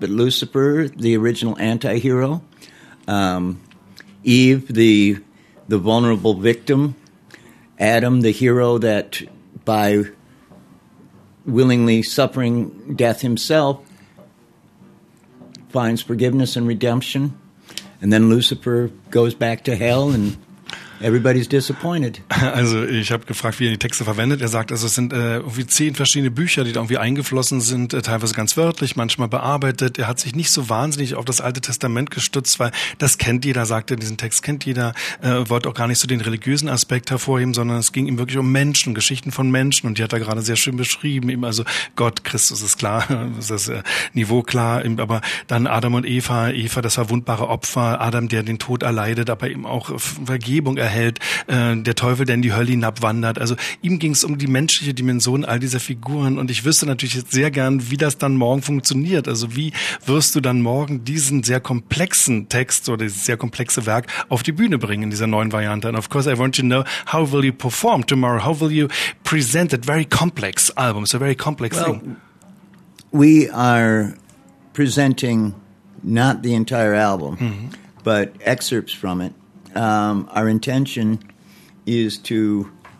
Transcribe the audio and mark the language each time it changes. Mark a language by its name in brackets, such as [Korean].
[English] But Lucifer, the original anti-hero, Eve, the vulnerable victim, Adam, the hero that by willingly suffering death himself finds forgiveness and redemption, and then Lucifer goes back to hell and everybody's disappointed. [German] Also ich habe gefragt, wie er die Texte verwendet. Er sagt, also es sind irgendwie 10 verschiedene Bücher, die da irgendwie eingeflossen sind, teilweise ganz wörtlich, manchmal bearbeitet. Er hat sich nicht so wahnsinnig auf das Alte Testament gestützt, weil das kennt jeder, sagt er, diesen Text kennt jeder. Wollte auch gar nicht so den religiösen Aspekt hervorheben, sondern es ging ihm wirklich um Menschen, Geschichten von Menschen. Und die hat er gerade sehr schön beschrieben. Eben also Gott, Christus ist klar, ist das Niveau klar. Aber dann Adam und Eva, Eva das verwundbare Opfer, Adam, der den Tod erleidet, aber eben auch Vergebung erhält, der Teufel, der in die Hölle hinabwandert. Also ihm ging es um die menschliche Dimension all dieser Figuren, und ich wüsste natürlich jetzt sehr gern, wie das dann morgen funktioniert. Also wie wirst du dann morgen diesen sehr komplexen Text oder dieses sehr komplexe Werk auf die Bühne bringen in dieser neuen Variante? [English] And of course I want to know, how will you perform tomorrow? How will you present that very complex album? It's a very complex well, thing. We are presenting not the entire album, but excerpts from it. Our intention is to